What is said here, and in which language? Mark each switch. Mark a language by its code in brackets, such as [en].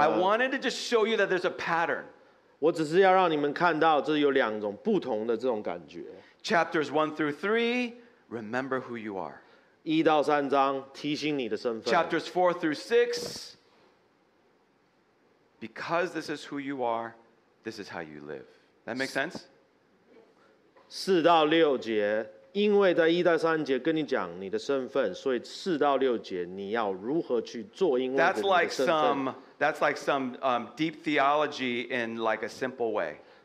[en] I wanted to just show you that there's a pattern. [zh] 我只是要让你们看到这有两种不同的这种感觉。 [en] Chapters 1 through 3, remember who you are. [zh] 1到3章, 提醒你的身份。 [en] Chapters 4 through 6, because this is who you are, this is how you live. That makes sense? [zh] 4到6节, 因为在1到3节跟你讲你的身份, 所以4到6节, 你要如何去做因为你的身份。 [en] That's like some deep theology in like a simple way.